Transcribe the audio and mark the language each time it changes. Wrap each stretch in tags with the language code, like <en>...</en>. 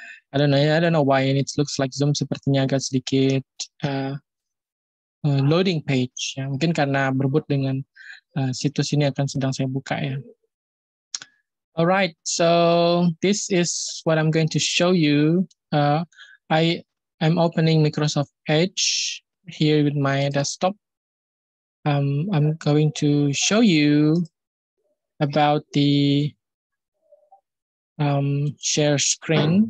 <en>I don't know why and it looks like Zoom</en> <id>sepertinya agak sedikit</id> <en>loading page.</en> <id>Ya, mungkin karena berebut dengan situs ini akan sedang saya buka ya.</id> <en>Alright, so this is what I'm going to show you. I am opening Microsoft Edge here with my desktop. I'm going to show you about the share screen.</en>